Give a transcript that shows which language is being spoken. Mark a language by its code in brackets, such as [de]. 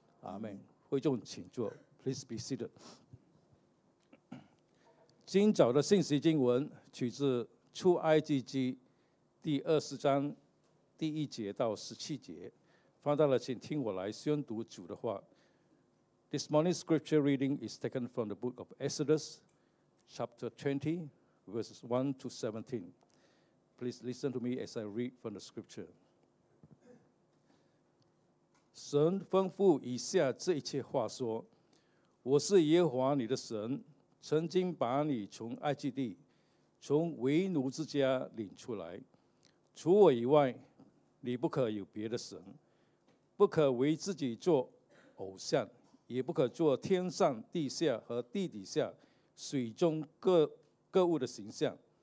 [zh] 阿们。会众请坐 ， [en] Please be seated。 [zh] 今早的信息经文取自出埃及记第20章第一节到17节。翻到了，请听我来宣读主的话。 [en] This morning's scripture reading is taken from the book of Exodus, chapter 20, verses 1 to 17. Please listen to me as I read from the scripture. [zh] 神吩咐以下这一切话说：我是耶和华你的神，曾经把你从埃及地，从为奴之家领出来。除我以外，你不可有别的神，不可为自己做偶像，也不可做天上地下和地底下水中 各物的形象，